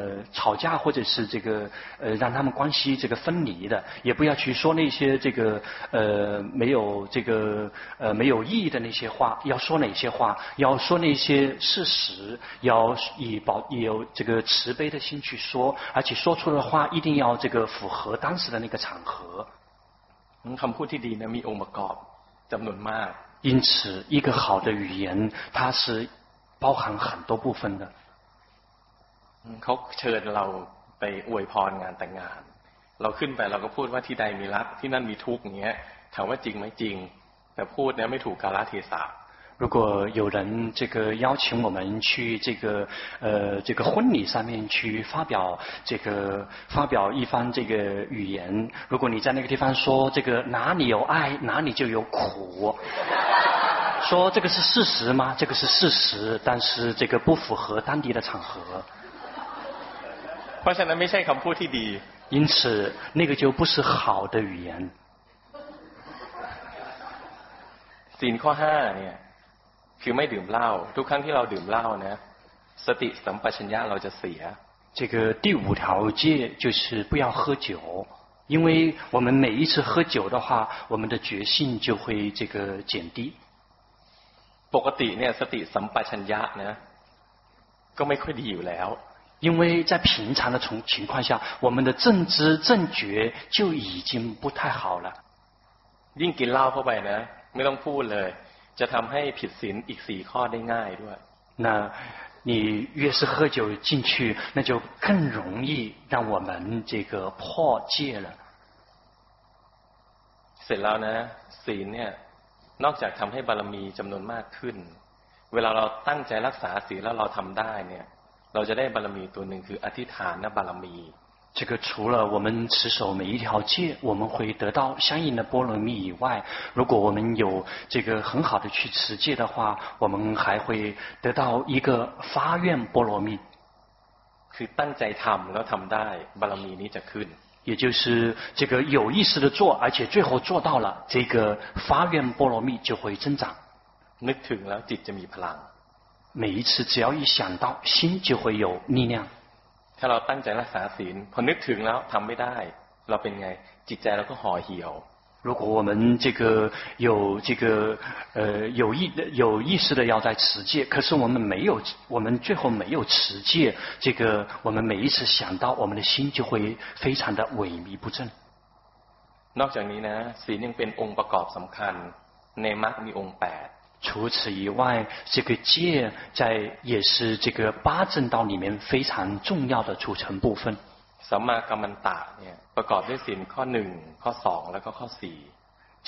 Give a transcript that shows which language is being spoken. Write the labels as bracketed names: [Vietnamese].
[Chinese] 吵架或者是这个让他们关系这个分离的也不要去说那些这个没有意义的那些话要说哪些话要说那些事实要以保也有这个慈悲的心去说，而且说出的话一定要这个符合当时的那个场合。 [Thai] คำพูดที่ดีนะมีองค์ประกอบจำนวนมาก。 [Chinese] 因此，一个好的语言，它是包含很多部分的。 [Thai] เขาเชิญเราไปอวยพรงานแต่งงาน，เราขึ้นไปเราก็พูดว่าที่ใดมีรักที่นั่นมีทุกข์เงี้ยถามว่าจริงไหมจริงแต่พูดเนี้ยไม่ถูกกาลเทศะ。 [Chinese] 如果有人这个邀请我们去这个婚礼上面去发表一番这个语言，如果你在那个地方说这个哪里有爱哪里就有苦，说这个是事实吗？这个是事实，但是这个不符合当地的场合。发现了没？像康普提迪，因此那个就不是好的语言。 [Thai] สินข้อห้าเนี่ยคือไม่ดื่มเหล้าทุกครั้งที่เราดื่มเหล้านะสติสัมปชัญญะเราจะเสีย [Chinese] 这个第五条戒就是不要喝酒因为我们每一次喝酒的话我们的觉性就会这个减低 [Thai] ปกติเนี่ยสติสัมปชัญญะนะก็ไม่ค่อยดีอยู่แล้ว [Chinese] 因为在平常的情况下我们的正知正觉就已经不太好了 [Thai] ยิ่งกินเหล้าเข้าไปนะไม่ต้องพูดเลยจะทำให้ผิดศีลอีก4ข้อได้ง่ายด้วย [Chinese] 那你越是喝酒进去那就更容易让我们这个破戒了 [Thai] เสร็จแล้วนะศีลเนี่ยนอกจากทำให้บารมีจำนวนมากขึ้นเวลาเราตั้งใจรักษาศีลแล้วเราทำได้เนี่ยเราจะได้บารมีตัวหนึ่งคืออธิษฐานบารมี [Chinese] 这个除了我们持守每一条戒我们会得到相应的波罗蜜以外如果我们有这个很好的去持戒的话我们还会得到一个发愿波罗蜜 [Thai] คือตั้งใจทำแล้วทำได้บารมีนี้จะขึ้น [Chinese] 也就是这个有意识的做而且最后做到了这个发愿波罗蜜就会增长 [Thai] นึกถึงแล้วจิตจะมีพลัง [Chinese] 每一次只要一想到心就会有力量 [Thai] ถ้าเราตั้งใจรักษาศีลพอนึกถึงแล้วทำไม่ได้เราเป็นไงจิตใจเราก็ห่อเหี่ยว [Chinese] 如果我们这个有这个有意识的要在持戒可是我们没有我们最后没有持戒这个我们每一次想到我们的心就会非常的萎靡不振 [Thai] นอกจากนี้นะศีลยังเป็นองค์ประกอบสำคัญในมรรคมีองค์8 [Chinese] 除此以外这个戒在也是这个八正道里面非常重要的组成部分 [Thai] สัมมากัมมันตะเนี่ยประกอบด้วยศีลข้อ1ข้อ2แล้วก็ข้อ4